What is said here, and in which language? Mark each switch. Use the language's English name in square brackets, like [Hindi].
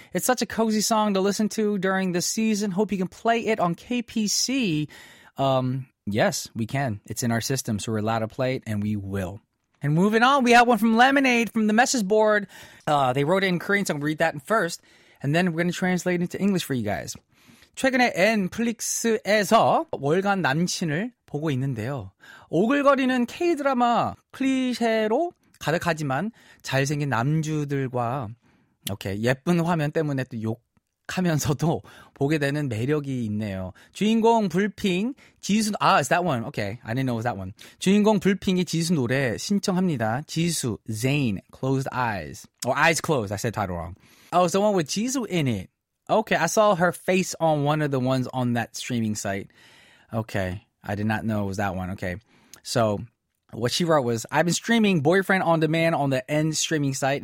[English] It's such a cozy song to listen to during the season. Hope you can play it on KPC. Yes, we can. It's in our system, so we're allowed to play it, and we will. And moving on, we have one from Lemonade from the message board. They wrote it in Korean, so I'm going to read that first. And then we're going to translate it into English for you guys. [Korean] 최근에 넷플릭스에서 월간 남친을 보고 있는데요. 오글거리는 K-드라마 클리셰로 가득하지만 잘생긴 남주들과 오케이 예쁜 화면 때문에 또 욕하면서도 보게 되는 매력이 있네요. 주인공 불핑 지수 아 [English] is that one? Okay, I didn't know it was that one. [Korean] 주인공 불핑이 지수 노래 신청합니다. [English] 지수 Zane Closed Eyes or Eyes Closed. I said title wrong. Oh, it's the one with Jisoo in it. Okay, I saw her face on one of the ones on that streaming site. Okay, I did not know it was that one. Okay, so. What she wrote was, I've been streaming Boyfriend on Demand on the N streaming site.